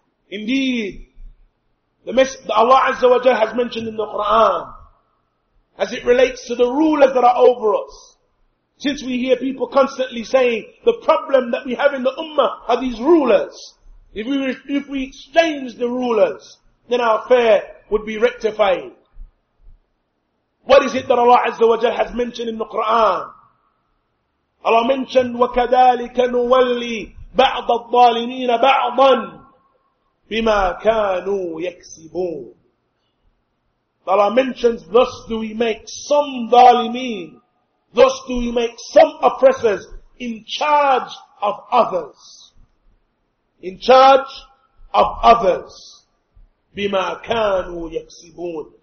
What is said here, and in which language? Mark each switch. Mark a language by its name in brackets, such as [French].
[English] Indeed, Allah Azza wa Jalla has mentioned in the Quran, as it relates to the rulers that are over us, since we hear people constantly saying, the problem that we have in the ummah are these rulers. If we exchange the rulers, then our affair would be rectified. What is it that Allah Azza wa Jalla has mentioned in the Quran? Allah mentioned, [Arabic] وَكَذَلِكَ نُوَلِّي بَعْضَ الظَّالِمِينَ بَعْضًا بِمَا كَانُوا يَكْسِبُونَ. [English] Allah mentions, thus do we make some dhalimeen, thus do we make some oppressors in charge of others. In charge of others. [Arabic] بِمَا كَانُوا يَكْسِبُونَ.